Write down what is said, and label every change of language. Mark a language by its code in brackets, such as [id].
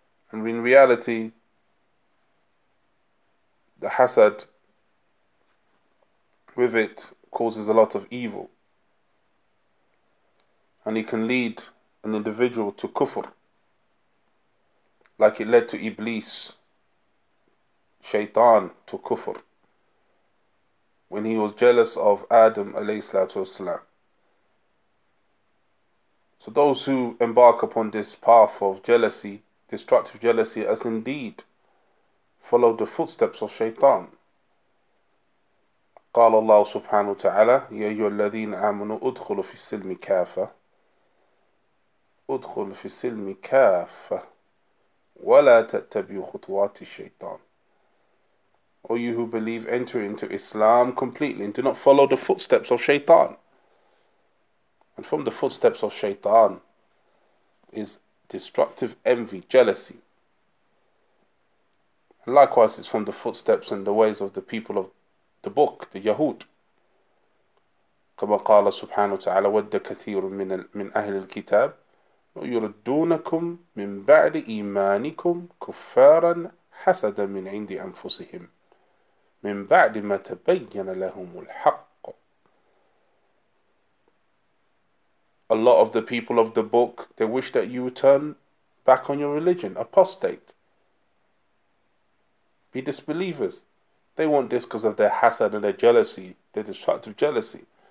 [en] And in reality, the hasad with it causes a lot of evil, and it can lead an individual to kufr, like it led to Iblis, Shaitan, to kufr, when he was jealous of Adam alayhi salatu wasalam. So those who embark upon this path of jealousy, destructive jealousy, as indeed follow the footsteps of Shaitan. [ar] قال الله سبحانه وتعالى يا أيها الذين آمنوا ادخلوا في السلم كافة ادخل في السلم كافة ولا تتبعوا خطوات الشيطان. [en] All you who believe, enter into Islam completely and do not follow the footsteps of Shaitan. And from the footsteps of Shaitan is destructive envy, jealousy. And likewise, it's from the footsteps and the ways of the people of the book, the Yahud. [ar] كما قال سبحانه وتعالى ود كثير من أهل الكتاب يردونكم من بعد إيمانكم كفارا حسدا من عند أنفسهم من بعد ما تبين لهم الحق. [en] A lot of the people of the book, they wish that you turn back on your religion, apostate, be disbelievers. They want this because of their hasad and their jealousy, their destructive jealousy.